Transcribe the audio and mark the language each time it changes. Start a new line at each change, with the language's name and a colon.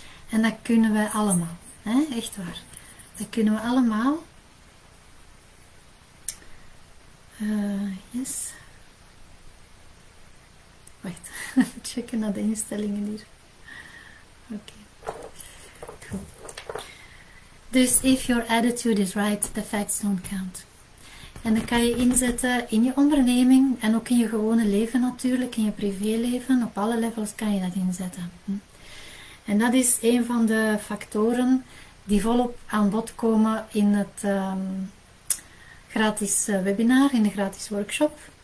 Dutch: En dat kunnen wij allemaal, hè? Echt waar. Dat kunnen we allemaal.
English: Yes.
Dutch: Wacht, even checken naar de instellingen hier. Oké.
English: Dus if your attitude is right, the facts don't count.
Dutch: En dat kan je inzetten in je onderneming en ook in je gewone leven natuurlijk, in je privéleven. Op alle levels kan je dat inzetten. En dat is een van de factoren die volop aan bod komen in het gratis webinar, in de gratis workshop,